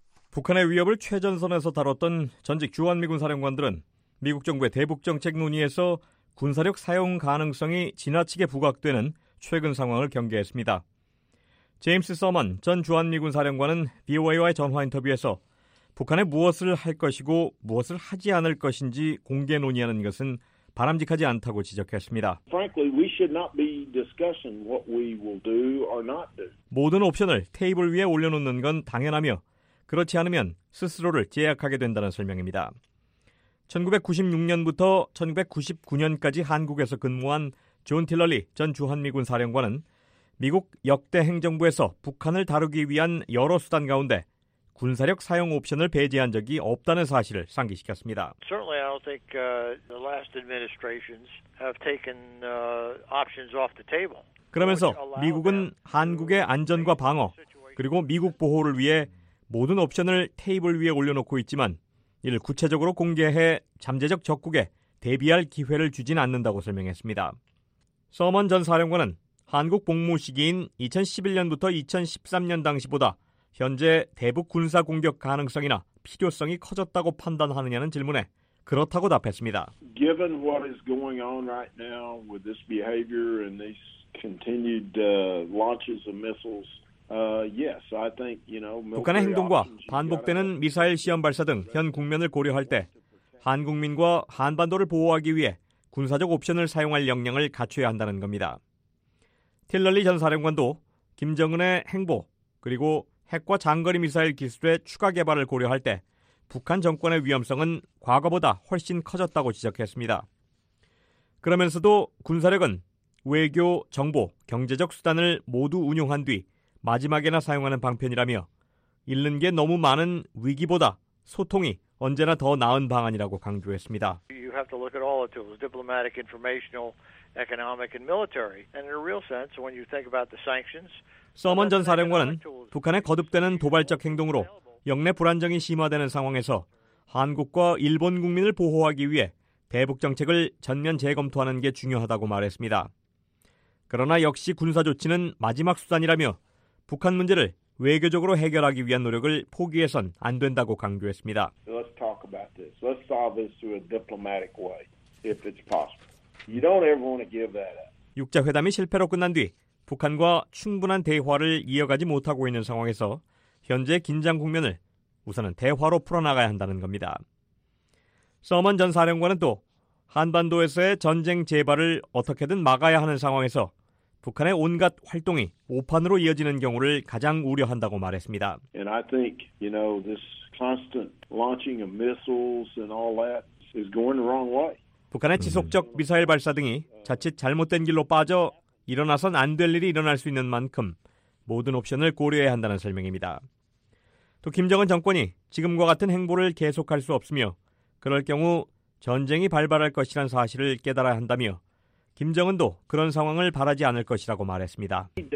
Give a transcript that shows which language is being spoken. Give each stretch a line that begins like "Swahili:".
Korean: 북한의 위협을 최전선에서 다뤘던 전직 주한미군 사령관들은 미국 정부의 대북정책 논의에서 군사력 사용 가능성이 지나치게 부각되는 최근 상황을 경계했습니다. 제임스 서먼 전 주한미군 사령관은 BOA와의 전화 인터뷰에서 북한에 무엇을 할 것이고 무엇을 하지 않을 것인지 공개 논의하는 것은 바람직하지 않다고 지적했습니다.
English: Frankly, we should not be discussing what we will do or not do.
Korean: 모든 옵션을 테이블 위에 올려놓는 건 당연하며 그렇지 않으면 스스로를 제약하게 된다는 설명입니다. 1996년부터 1999년까지 한국에서 근무한 존 틸러리 전 주한미군 사령관은 미국 역대 행정부에서 북한을 다루기 위한 여러 수단 가운데 군사력 사용 옵션을 배제한 적이 없다는 사실을 상기시켰습니다.
English: Certainly, I don't think the last administrations have taken options off the table.
Korean: 그러면서 미국은 한국의 안전과 방어 그리고 미국 보호를 위해 모든 옵션을 테이블 위에 올려놓고 있지만 이를 구체적으로 공개해 잠재적 적국에 대비할 기회를 주진 않는다고 설명했습니다. 서먼 전 사령관은 한국 복무 시기인 2011년부터 2013년 당시보다 현재 대북 군사 공격 가능성이나 필요성이 커졌다고 판단하느냐는 질문에 그렇다고 답했습니다.
English: Given what is going on right now with this behavior and these continued launches of missiles, yes, I think you know.
Korean: 북한의 행동과 반복되는 미사일 시험 발사 등 현 국면을 고려할 때 한국민과 한반도를 보호하기 위해 군사적 옵션을 사용할 역량을 갖춰야 한다는 겁니다. 틸러리 전 사령관도 김정은의 행보 그리고 핵과 장거리 미사일 기술의 추가 개발을 고려할 때 북한 정권의 위험성은 과거보다 훨씬 커졌다고 지적했습니다. 그러면서도 군사력은 외교, 정보, 경제적 수단을 모두 운용한 뒤 마지막에나 사용하는 방편이라며 잃는 게 너무 많은 위기보다 소통이 언제나 더 나은 방안이라고 강조했습니다.
English: You have to look at all the tools, diplomatic, informational, economic, and military. And in a real sense, when you think about the sanctions,
Korean: 서먼 전 사령관은 북한의 거듭되는 도발적 행동으로 역내 불안정이 심화되는 상황에서 한국과 일본 국민을 보호하기 위해 대북 정책을 전면 재검토하는 게 중요하다고 말했습니다. 그러나 역시 군사 조치는 마지막 수단이라며 북한 문제를 외교적으로 해결하기 위한 노력을 포기해선 안 된다고 강조했습니다.
English: Let's talk about this. Let's solve this through a diplomatic way, if it's possible. You don't ever want to give that up.
Korean: 6자 회담이 실패로 끝난 뒤 북한과 충분한 대화를 이어가지 못하고 있는 상황에서 현재 긴장 국면을 우선은 대화로 풀어나가야 한다는 겁니다. 서먼 전 사령관은 또 한반도에서의 전쟁 재발을 어떻게든 막아야 하는 상황에서 북한의 온갖 활동이 오판으로 이어지는 경우를 가장 우려한다고 말했습니다.
English: And I think, you know, this constant launching of missiles and all that is going the wrong way.
Korean: 북한의 지속적 미사일 발사 등이 자칫 잘못된 길로 빠져 일어나선 안 될 일이 일어날 수 있는 만큼 모든 옵션을 고려해야 한다는 설명입니다. 또 김정은 정권이 지금과 같은 행보를 계속할 수 없으며 그럴 경우 전쟁이 발발할 것이란 사실을 깨달아야 한다며 김정은도 그런 상황을 바라지 않을 것이라고 말했습니다.